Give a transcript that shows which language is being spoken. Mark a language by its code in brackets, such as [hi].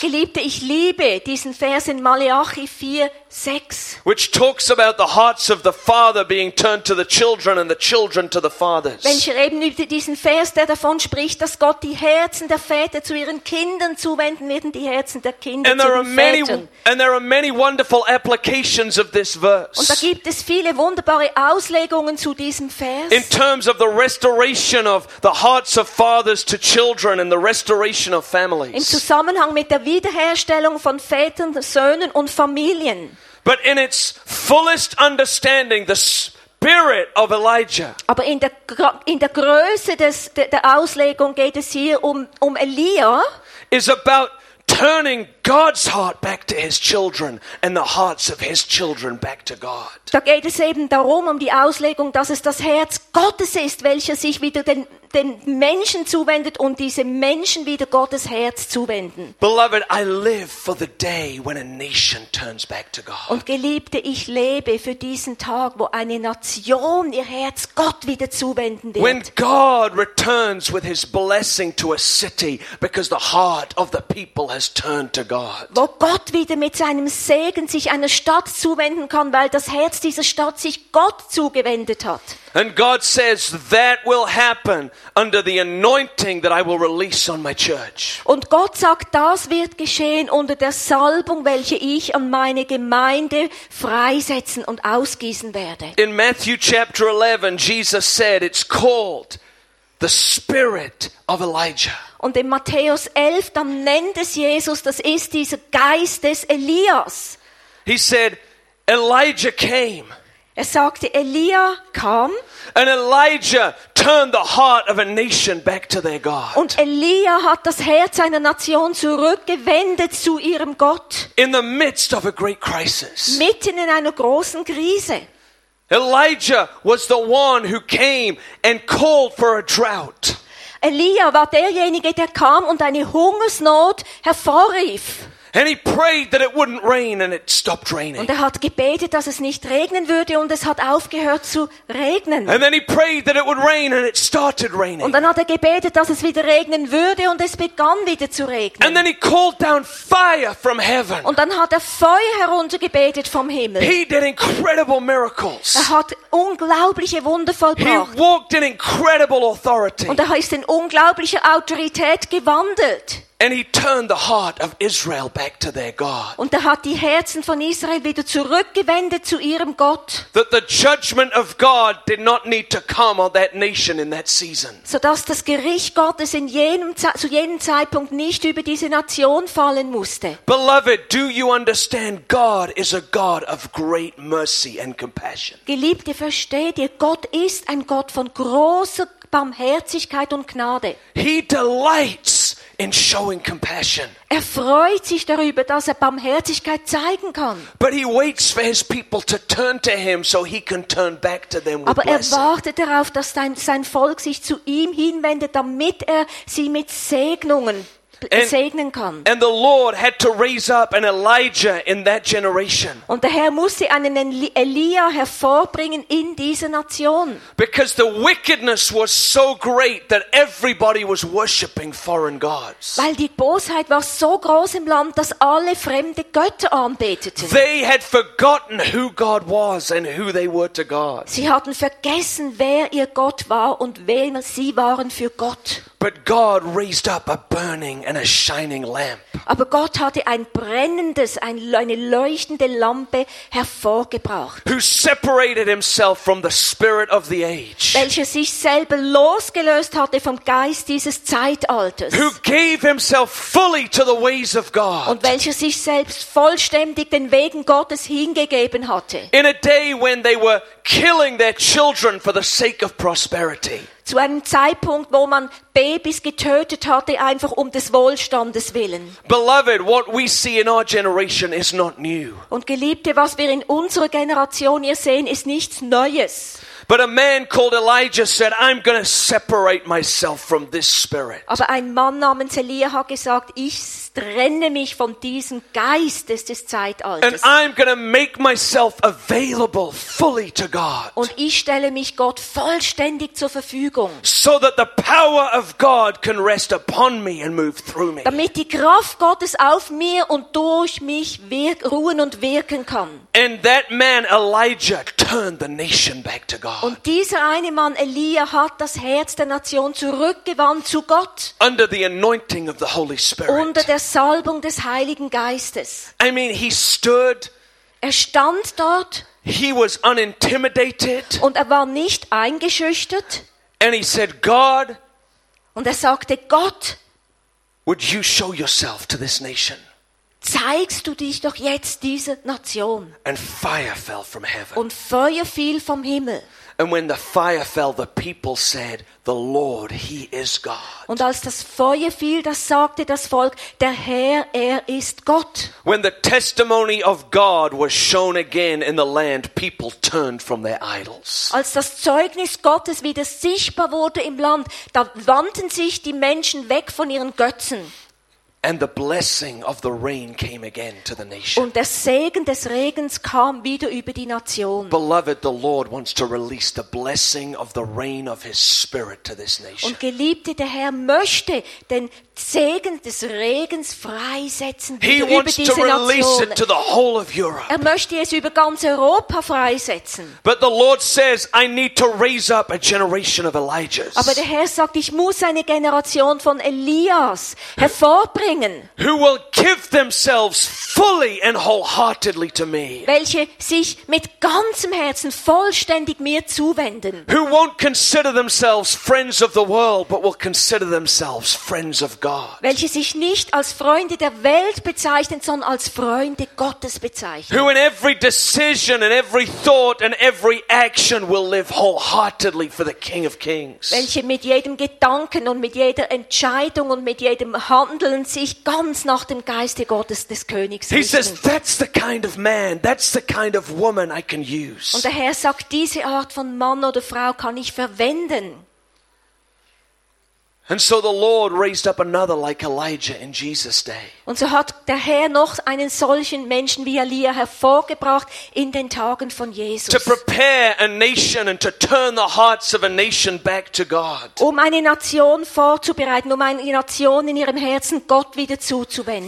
[de] Und Geliebte, ich liebe diesen Vers in Malachi 4, 6. [en] Which talks about the hearts of the father being turned to the children and the children to the fathers. [de] Welcher eben über diesen Vers, der davon spricht, dass Gott die Herzen der Väter zu ihren Kindern zuwenden wird und die Herzen der Kinder zu den Vätern. [en] And there are many wonderful applications of this verse. [de] Und da gibt es viele wunderbare Auslegungen zu diesem Vers. [en] In terms of the restoration of the hearts of fathers to children and the restoration of families. [de] Im Zusammenhang mit der Wiederherstellung von Vätern, Söhnen und Familien. [en] But in its fullest understanding, the spirit of Elijah. [de] Aber in der Größe der Auslegung geht es hier um Elia. [en] Is about turning God's heart back to his children and the hearts of his children back to God. [de] Da geht es eben darum, um die Auslegung, dass es das Herz Gottes ist, welcher sich wieder den Menschen zuwendet und diese Menschen wieder Gottes Herz zuwenden. [en] Beloved, I live for the day when a nation turns back to God. [de] Und Geliebte, ich lebe für diesen Tag, wo eine Nation ihr Herz Gott wieder zuwenden wird. [en] When God returns with his blessing to a city because the heart of the people has turned to God. [de] Wo Gott wieder mit seinem Segen sich einer Stadt zuwenden kann, weil das Herz dieser Stadt sich Gott zugewendet hat. [en] And God says that will happen under the anointing that I will release on my church. [de] Und Gott sagt, das wird geschehen unter der Salbung, welche ich an meine Gemeinde freisetzen und ausgießen werde. [en] In Matthew chapter 11, Jesus said, it's called the Spirit of Elijah. [de] Und in Matthäus 11, dann nennt es Jesus, das ist dieser Geist des Elias. [en] He said, Elijah came. [de] Er sagte, Elia kam. [en] And Elijah turned the heart of a nation back to their God. [de] Und Elia hat das Herz einer Nation zurückgewendet zu ihrem Gott. [en] In the midst of a great crisis. [de] Mitten in einer großen Krise. [en] Elijah was the one who came and called for a drought. [de] Elia war derjenige, der kam und eine Hungersnot hervorrief. [en] And he prayed that it wouldn't rain and it stopped raining. [de] Und er hat gebetet, dass es nicht regnen würde und es hat aufgehört zu regnen. [en] And then he prayed that it would rain and it started raining. [de] Und dann hat er gebetet, dass es wieder regnen würde und es begann wieder zu regnen. [en] And then he called down fire from heaven. [de] Und dann hat er Feuer heruntergebetet vom Himmel. [en] He did incredible miracles. [de] Er hat unglaubliche Wunder vollbracht. [en] He walked in incredible authority. [de] Und er ist in unglaublicher Autorität gewandelt. [en] And he turned the heart of Israel back to their God. [de] Und er hat die Herzen von Israel wieder zurückgewendet zu ihrem Gott. [en] That the judgment of God did not need to come on that nation in that season. [de] So dass das Gericht Gottes zu jenem Zeitpunkt nicht über diese Nation fallen musste. [en] Beloved, do you understand God is a God of great mercy and compassion? [de] Geliebte, versteht ihr, Gott ist ein Gott von großer Barmherzigkeit und Gnade. [en] He delights in showing compassion. [de] Er freut sich darüber, dass er Barmherzigkeit zeigen kann. [en] But he waits for his people to turn to him so he can turn back to them with [de] Aber er [en] blessing. [de] Wartet darauf, dass sein Volk sich zu ihm hinwendet, damit er sie mit Segnungen segnen kann. [en] And the Lord had to raise up an Elijah in that generation. [de] Und der Herr musste einen Elia hervorbringen in dieser Nation. [en] Because the wickedness was so great that everybody was worshiping foreign gods. [de] Weil die Bosheit war so groß im Land, dass alle fremde Götter anbeteten. [en] They had forgotten who God was and who they were to God. [de] Sie hatten vergessen, wer ihr Gott war und wer sie waren für Gott. [en] But God raised up a burning and a shining lamp. [de] Aber Gott hatte ein brennendes, eine leuchtende Lampe hervorgebracht. [en] Who separated himself from the spirit of the age? [de] Welcher sich selber losgelöst hatte vom Geist dieses Zeitalters. [en] Who gave himself fully to the ways of God? [de] Und welcher sich selbst vollständig den Wegen Gottes hingegeben hatte. [en] In a day when they were killing their children for the sake of prosperity. [de] Zu einem Zeitpunkt, wo man Babys getötet hatte, einfach um des Wohlstandes willen. [en] Beloved, what we see in our generation is not new. [de] Und Geliebte, was wir in unserer Generation hier sehen, ist nichts Neues. [en] But a man called Elijah said, I'm going to separate myself from this spirit. [de] Aber ein Mann namens Elia hat gesagt, ich trenne mich von diesem Geist des Zeitalters. [en] And I'm going to make myself available fully to God. [de] Und ich stelle mich Gott vollständig zur Verfügung. [en] So that the power of God can rest upon me and move through me. [de] Damit die Kraft Gottes auf mir und durch mich ruhen und wirken kann. [en] And that man Elijah turned the nation back to God. [de] Und dieser eine Mann Elia hat das Herz der Nation zurückgewandt zu Gott. [en] Under the anointing of the Holy Spirit. [de] Unter der Salbung des Heiligen Geistes. [en] I mean, he stood. [de] Er stand dort. [en] He was unintimidated. [de] Und er war nicht eingeschüchtert. [en] And he said, God. [de] Und er sagte, Gott. [en] Would you show yourself to this nation? [de] Zeigst du dich doch jetzt dieser Nation? [en] And fire fell from heaven. [de] Und Feuer fiel vom Himmel. [en] And when the fire fell, the people said, "The Lord, He is God." [de] Und als das Feuer fiel, das sagte das Volk: Der Herr, er ist Gott. [en] When the testimony of God was shown again in the land, people turned from their idols. [de] Als das Zeugnis Gottes wieder sichtbar wurde im Land, da wandten sich die Menschen weg von ihren Götzen. [en] And the blessing of the rain came again to the nation. [de] Und der Segen des Regens kam wieder über die Nation. [en] Beloved, the Lord wants to release the blessing of the rain of His Spirit to this nation. [de] Und Geliebte, der Herr möchte den Segen des Regens freisetzen über diese Nation. [en] He wants to release it to the whole of Europe. [de] Er möchte es über ganz Europa freisetzen. [en] But the Lord says, I need to raise up a generation of Elijahs. [de] Aber der Herr sagt, ich muss eine Generation von Elias hervorbringen. [en] Who will give themselves fully and wholeheartedly to me? [de] Welche sich mit ganzem Herzen vollständig mir zuwenden? [en] Who won't consider themselves friends of the world, but will consider themselves friends of God? [de] Welche sich nicht als Freunde der Welt bezeichnen, sondern als Freunde Gottes bezeichnen? [en] Who in every decision and every thought and every action will live wholeheartedly for the King of Kings? [de] Welche mit jedem Gedanken und mit jeder Entscheidung und mit jedem Handeln sich ganz nach dem Geiste Gottes des Königs richten. [en] He says, that's the kind of man, that's the kind of woman I can use. [de] Und der Herr sagt, diese Art von Mann oder Frau kann ich verwenden. [en] And so the Lord raised up another like Elijah in Jesus' day. [de] Und so hat der Herr noch einen solchen Menschen wie Elia hervorgebracht in den Tagen von Jesus. [en] To prepare a nation and to turn the hearts of a nation back to God. [de] Um eine Nation vorzubereiten, um eine Nation in ihrem Herzen Gott wieder zuzuwenden.